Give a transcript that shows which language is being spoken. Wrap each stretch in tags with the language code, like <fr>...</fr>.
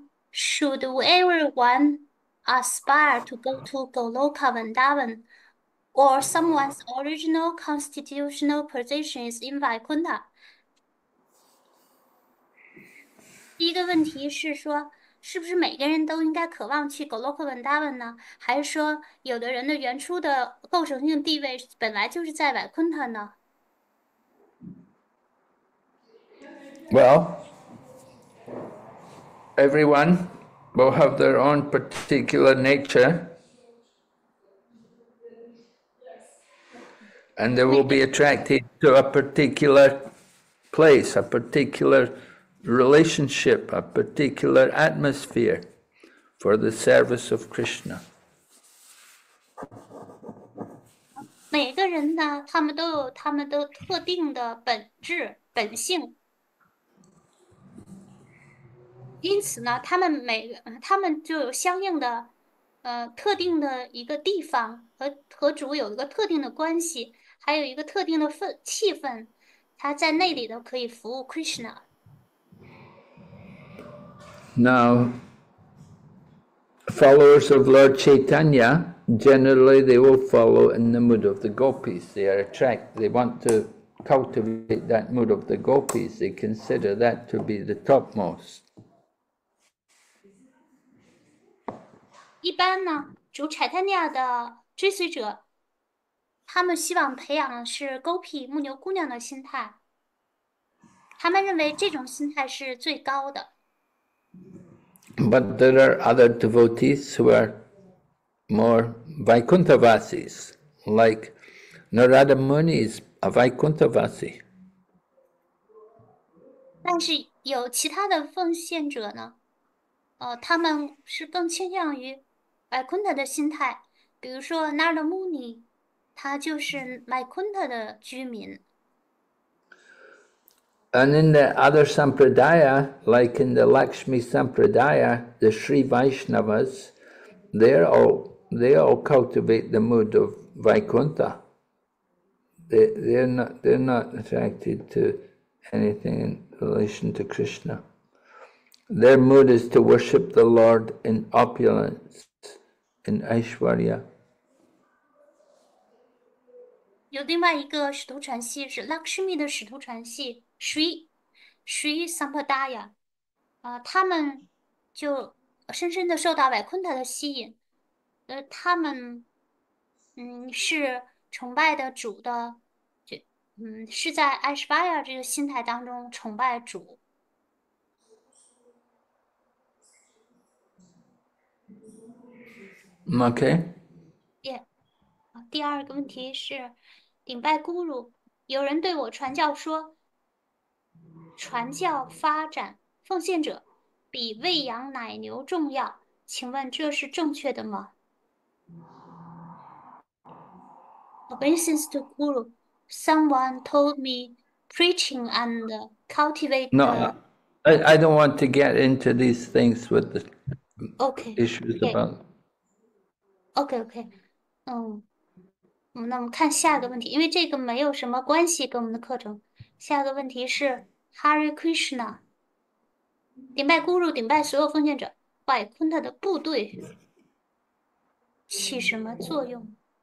<en>Should everyone aspire to go to Goloka Vrindavan, or someone's original constitutional position is in Vaikuntha?</en> <zh>第一个问题是说，是不是每个人都应该渴望去 Goloka Vrindavan 呢？还是说，有的人的原初的构成性地位本来就是在 Vaikuntha 呢？</zh> <en>Well, everyone will have their own particular nature, and they will be attracted to a particular place, a particular relationship, a particular atmosphere for the service of Krishna.</en> <zh>每个人呢，他们都有他们的特定的本质、本性，因此呢，他们就有相应的。特定的一个地方和主有一个特定的关系，还有一个特定的气氛，他在那里都可以服务 Krishna。</zh> <en>Now, followers of Lord Chaitanya, generally they will follow in the mood of the gopis. They are attracted, they want to cultivate that mood of the gopis. They consider that to be the topmost.</en> <zh>一般呢，主 Chaitanya 的追随者，他们希望培养的是 Gopi 牧牛姑娘的心态，他们认为这种心态是最高的。</zh> <en>But there are other devotees who are more Vaikunthavasis, like Narada Muni is a Vaikunthavasi.</en> <zh>但是有其他的奉献者呢，他们是更倾向于。 Vaikuntha 的心态，比如说 Narada Muni，他就是 Vaikuntha 的居民。</zh> <en>And in the other sampradaya, like in the Lakshmi sampradaya, the Sri Vaishnavas, they all cultivate the mood of Vaikuntha. They're not attracted to anything in relation to Krishna. Their mood is to worship the Lord in opulence, in Aishwarya.</en> <zh>有另外一个使徒传系是 Lakshmi 的使徒传系 Sri Sampradaya，他们就深深的受到 Vaikuntha 的吸引，他们是崇拜的主的，是在 Aishwarya 这个心态当中崇拜主。</zh> <en>Okay.</en> <zh>第二个问题是，顶拜 guru，有人对我传教说，传教发展奉献者比喂养奶牛重要，请问这是正确的吗？</zh> <en>Obeisance to guru. Someone told me preaching and cultivate No, the. I don't want to get into these things with the Okay, issues about. okay.</en> <zh>那我们看下一个问题，因为这个没有什么关系跟我们的课程。下一个问题是 Hare Krishna，顶拜 Guru，顶拜所有奉献者，拜 Kunta 的部队起什么作用？</zh>